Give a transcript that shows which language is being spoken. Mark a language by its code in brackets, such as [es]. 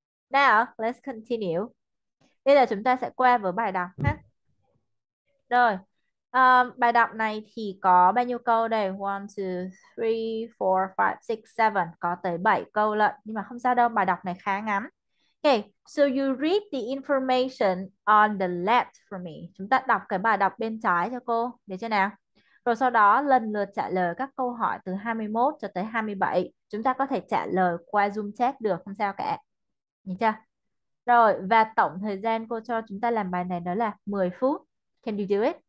[en] Now, let's continue. [vi] Bây giờ chúng ta sẽ qua với bài đọc ha. Rồi, bài đọc này thì có bao nhiêu câu đây? 1, 2, 3, 4, 5, 6, 7. Có tới 7 câu lận. Nhưng mà không sao đâu, bài đọc này khá ngắn. [en] Okay, so you read the information on the left for me. [vi] Chúng ta đọc cái bài đọc bên trái cho cô. Được chưa nào? Rồi sau đó lần lượt trả lời các câu hỏi từ 21 cho tới 27. Chúng ta có thể trả lời qua Zoom chat được, không sao cả. Nhìn chưa? Rồi, và tổng thời gian cô cho chúng ta làm bài này đó là 10 phút. [en] Can you do it?